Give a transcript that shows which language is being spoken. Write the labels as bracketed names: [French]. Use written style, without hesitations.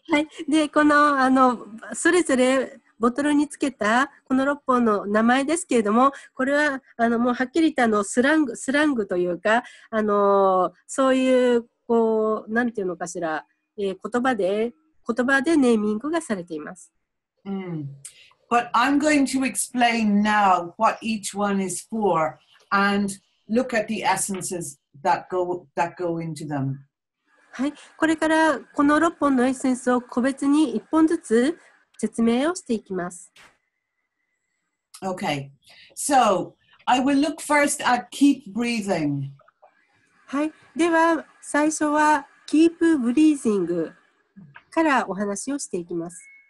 [Japanese] はい。で、この、あの、それぞれボトルにつけたこの6本の名前ですけれども、これは、あの、もうはっきり言ったの、スラングというか、あの、そういう、こう、なんていうのかしら、言葉でネーミングがされています。 [English] But I'm going to explain now what each one is for and look at the essences that go into them. [Japanese] はい、これからこの6本のエッセンスを個別に1本ずつ説明をしていきます。 [English] Okay. So, I will look first at keep breathing. [Japanese] はい、では最初は keep breathing からお話をしていきます。